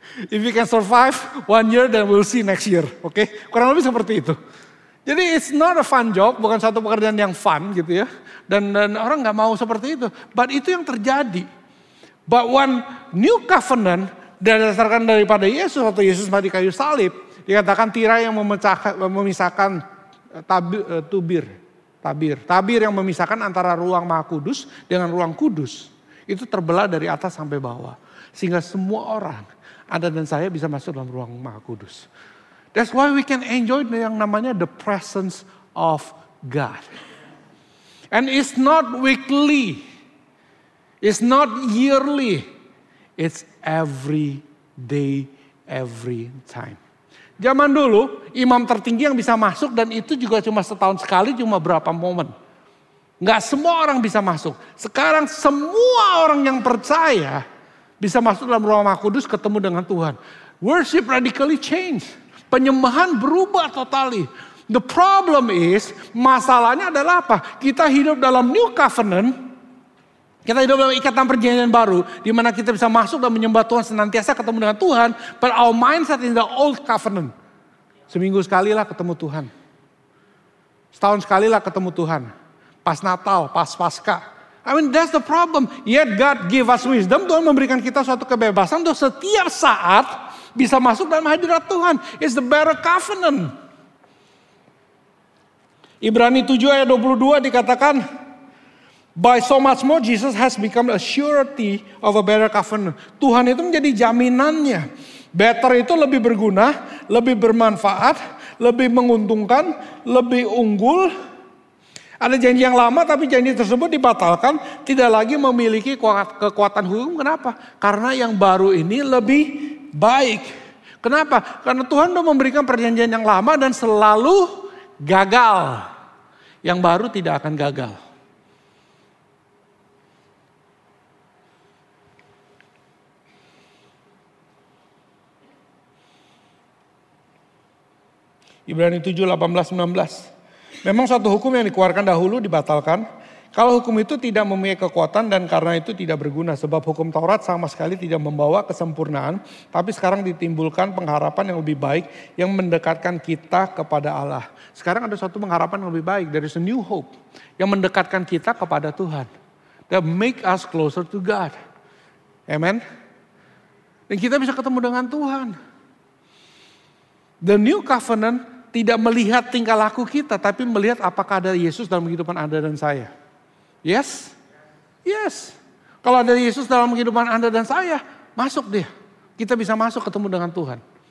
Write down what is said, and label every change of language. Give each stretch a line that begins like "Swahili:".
English: If you can survive one year, then we'll see next year.
Indonesian: Oke, kurang lebih seperti itu. Jadi
English: it's not a fun job,
Indonesian: bukan satu pekerjaan yang fun gitu ya. Dan orang gak mau seperti itu. But itu yang terjadi.
English: But one new covenant,
Indonesian: dasarkan daripada Yesus, waktu Yesus mati kayu salib, dikatakan tirai yang memisahkan tabir yang memisahkan antara ruang Maha Kudus dengan ruang kudus, itu terbelah dari atas sampai bawah. Sehingga semua orang, Anda dan saya bisa masuk dalam ruang Maha Kudus.
English: That's why we can enjoy
Indonesian: yang namanya
English: the presence of God. And it's not weekly. It's not yearly. It's every day, every time.
Indonesian: Zaman dulu, imam tertinggi yang bisa masuk dan itu juga cuma setahun sekali, cuma berapa momen. Enggak semua orang bisa masuk. Sekarang semua orang yang percaya bisa masuk dalam ruang kudus ketemu dengan Tuhan.
English: Worship radically changed.
Indonesian: Penyembahan berubah totally.
English: The problem is,
Indonesian: masalahnya adalah apa? Kita hidup dalam new covenant. Kita hidup dalam ikatan perjanjian baru. Di mana kita bisa masuk dan menyembah Tuhan senantiasa ketemu dengan Tuhan.
English: But our mindset is the old covenant.
Indonesian: Seminggu sekali lah ketemu Tuhan. Setahun sekali lah ketemu Tuhan. Pas Natal, pas Paskah.
English: I mean that's the problem. Yet God give us wisdom.
Indonesian: Tuhan memberikan kita suatu kebebasan untuk setiap saat bisa masuk dalam hadirat Tuhan.
English: It's the better covenant.
Indonesian: Ibrani 7 ayat 22 dikatakan,
English: by so much more Jesus has become a surety of a better covenant.
Indonesian: Tuhan itu menjadi jaminannya. Better itu lebih berguna, lebih bermanfaat, lebih menguntungkan, lebih unggul. Ada janji yang lama tapi janji tersebut dibatalkan, tidak lagi memiliki kekuatan hukum. Kenapa? Karena yang baru ini lebih baik. Kenapa? Karena Tuhan sudah memberikan perjanjian yang lama dan selalu gagal. Yang baru tidak akan gagal. Ibrani 7:18-19. Memang suatu hukum yang dikeluarkan dahulu dibatalkan. Kalau hukum itu tidak memiliki kekuatan dan karena itu tidak berguna. Sebab hukum Taurat sama sekali tidak membawa kesempurnaan. Tapi sekarang ditimbulkan pengharapan yang lebih baik yang mendekatkan kita kepada Allah. Sekarang ada suatu pengharapan yang lebih baik.
English: There is a new hope
Indonesian: yang mendekatkan kita kepada Tuhan.
English: That make us closer to God. Amen.
Indonesian: Dan kita bisa ketemu dengan Tuhan. The new covenant tidak melihat tingkah laku kita, tapi melihat apakah ada Yesus dalam kehidupan Anda dan saya.
English: Yes? Yes.
Indonesian: Kalau ada Yesus dalam kehidupan Anda dan saya, masuk dia. Kita bisa masuk ketemu dengan Tuhan.